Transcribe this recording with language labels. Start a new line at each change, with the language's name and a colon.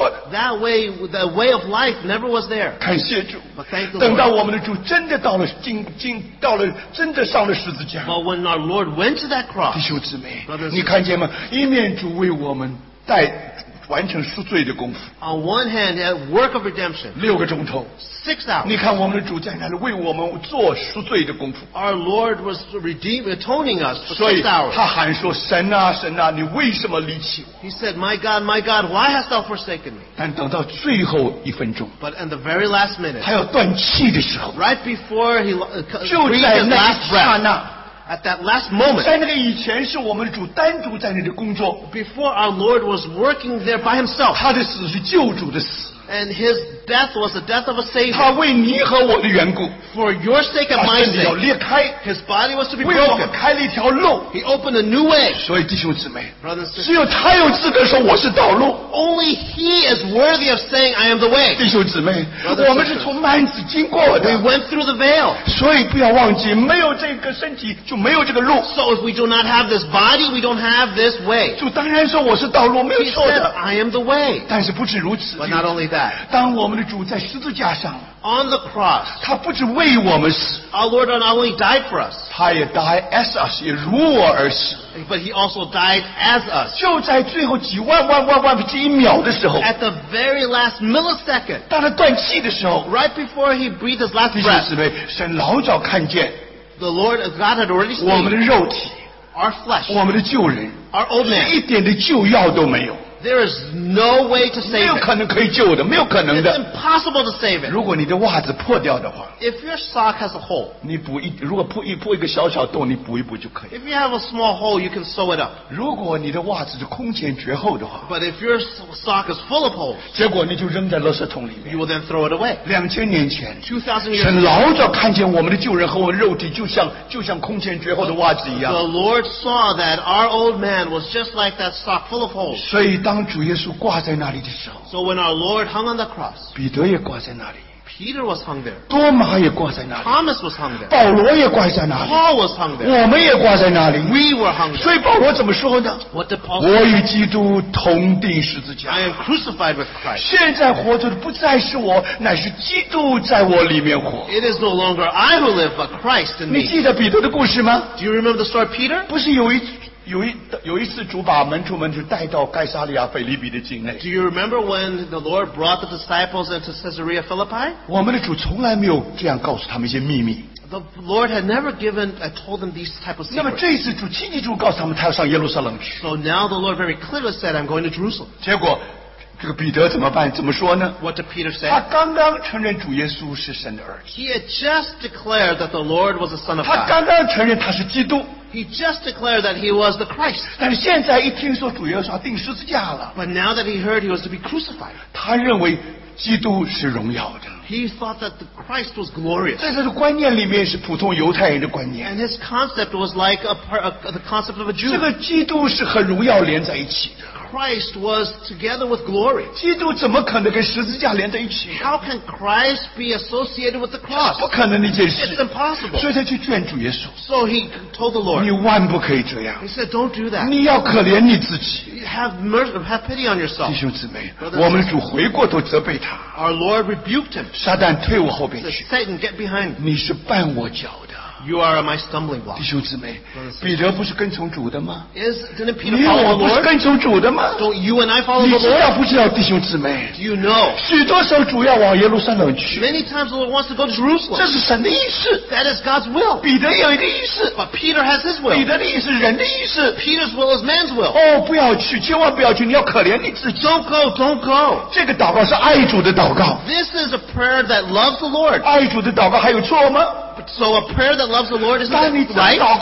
English: That way, the way of life never was there.
Chinese: 感谢主,
English: but thank the Lord.
Chinese: 等到我们的主真的到了,真的上了十字架,
English: but when our Lord went to that cross,
Chinese: 弟兄姊妹,
English: Brothers,
Chinese: 你看见吗? 一面主为我们带, 完成赎罪的功夫。
English: On one hand, a work of redemption.
Chinese: 六个钟头。
English: Six hours.
Chinese: 你看我们的主在哪里为我们做赎罪的功夫。
English: Our Lord was redeeming, atoning us for 6 hours.
Chinese: 他喊说神啊神啊你为什么离弃我。
English: He said, my God, why hast thou forsaken me?
Chinese: 但等到最后一分钟。
English: But in the very last minute.
Chinese: 他要断气的时候。
English: Right before he,
Chinese: 就在那一刹那。
English: At that last moment,
Chinese: 在那个以前是我们主单独在那里工作。
English: Before our Lord was working there by himself,
Chinese: 他的死是救主的死。
English: And his death was the death of a savior.
Chinese: 他为你和我的缘故。
English: For your sake and my sake,
Chinese: 要裂开。
English: His body was to be broken.
Chinese: 为我们开了一条路。
English: He opened a new way.
Chinese: 所以弟兄姊妹
English: brothers and sisters,
Chinese: 只有他有资格说我是道路。
English: Only he is worthy of saying I am the way.
Chinese: 弟兄姊妹
English: brothers,
Chinese: 我们是从幔子经过的。
English: We went through the veil.
Chinese: 所以不要忘记没有这个身体就没有这个路。
English: So if we do not have this body, we don't have this way.
Chinese: 就当然说我是道路没有错的。
English: He said, I am the way.
Chinese: 但是不止如此。
English: But not only that.
Chinese: 当我们的主在十字架上
English: On the cross
Chinese: 他不只为我们死
English: Our Lord not only died for us
Chinese: 他也
English: died as us
Chinese: 也如我而死
English: But he also died as us
Chinese: 就在最后几万万万万之一秒的时候
English: At the very last millisecond
Chinese: 当他断气的时候
English: Right before he breathed his last breath
Chinese: 弟兄姊妹神老早看见
English: The Lord God had already seen
Chinese: 我们的肉体
English: Our flesh
Chinese: 我们的旧人
English: Our old man
Chinese: 一点的旧药都没有
English: There is no way to save it.
Chinese: 没有可能可以救的，没有可能的。
English: It's impossible to save it.
Chinese: 如果你的袜子破掉的话
English: ，If your sock has a hole，
Chinese: 你补一，如果破一个小小洞，你补一补就可以。
English: If you have a small hole, you can sew it up.
Chinese: 如果你的袜子是空前绝后的话
English: ，But if your sock is full of holes，
Chinese: 结果你就扔在垃圾桶里面。
English: You will then throw it away.
Chinese: 2000年前
English: 2000 years ago，
Chinese: 神老早看见我们的旧人和我们肉体就像空前绝后的袜子一样。
English: The Lord saw that our old man was just like that sock full of holes.
Chinese: 所以当主耶稣挂在那里的时候
English: So when our Lord hung on the cross
Chinese: 彼得也挂在那里
English: Peter was hung there
Chinese: 多马也挂在那里
English: Thomas was hung there
Chinese: 保罗也挂在那里
English: Paul was hung there
Chinese: 我们也挂在那里
English: We were hung there
Chinese: 所以保罗怎么说呢
English: What did Paul
Chinese: 我与基督同钉十字架
English: I am crucified with Christ
Chinese: 现在活着的不再是我乃是基督在我里面活
English: It is no longer I who live but Christ in me
Chinese: 你记得彼得的故事吗
English: Do you remember the story of Peter?
Chinese: 不是有一次主把门徒们就带到该撒利亚腓立比的境内
English: Do you remember when the Lord brought the disciples into Caesarea Philippi?
Chinese: 我们的主从来没有这样告诉他们一些秘密
English: The Lord had never given and told them these type of secrets
Chinese: 那么这一次主亲自主告诉他们他要上耶路撒冷去
English: So now the Lord very clearly said I'm going to Jerusalem
Chinese: 结果这个彼得怎么办怎么说呢
English: What did Peter say?
Chinese: 他刚刚承认主耶稣是神的儿子
English: He had just declared that the Lord was the Son of God
Chinese: 他刚刚承认他是基督
English: He just declared that he was the Christ.
Chinese: 但是现在一听说主耶稣钉十字架了
English: But now that he heard he was to be crucified.
Chinese: 他认为基督是荣耀的
English: He thought that the Christ was glorious.
Chinese: 在他的观念里面是普通犹太人的观念
English: And his concept was like the concept of a Jew.
Chinese: 这个基督是和荣耀连在一起的
English: Christ was together with glory.
Chinese: 基督怎么可能跟十字架连在一起
English: How can Christ be associated with the cross?
Chinese: 不可能那件事
English: It's impossible.
Chinese: 所以他去劝主耶稣
English: So he told the Lord.
Chinese: 你万不可以这样
English: He said, don't do that.
Chinese: 你要可怜你自己
English: have pity on yourself.
Chinese: 弟兄姊妹我们主回过头责备他
English: Our Lord rebuked him.
Chinese: 撒旦退我后边去
English: Satan, get behind
Chinese: me. 你是绊我脚的
English: You are my stumbling block.
Chinese: 弟兄姊妹彼得不是跟从主的吗
English: didn't Peter follow the Lord?
Chinese: 你我不是跟从主的吗
English: Don't you and I follow the Lord?
Chinese: 你知道不知道弟兄姊妹
English: Do you know?
Chinese: 许多时候主要往耶路撒冷去
English: Many times the Lord wants to go to Jerusalem.
Chinese: 这是神的意思
English: That is God's will.
Chinese: 彼得有一个意思
English: But Peter has his will.
Chinese: 彼得的意思人的意思
English: Peter's will is man's will.
Chinese: 哦不要去千万不要去你要可怜你自己
English: Don't go, don't go.
Chinese: 这个祷告是爱主的祷告
English: This is a prayer that loves the Lord.
Chinese: 爱主的祷告还有错吗
English: So a prayer that loves the Lord is right.